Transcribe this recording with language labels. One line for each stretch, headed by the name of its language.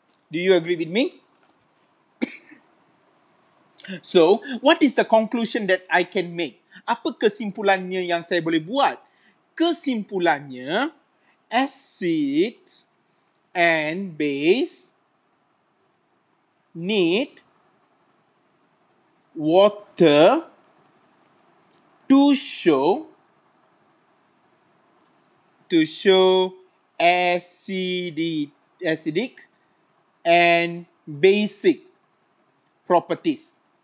English: Do you agree with me? So, what is the conclusion that I can make?
Malay: Apa kesimpulannya yang saya boleh buat? Kesimpulannya,
English: acid and base need water to show acidic and basic properties.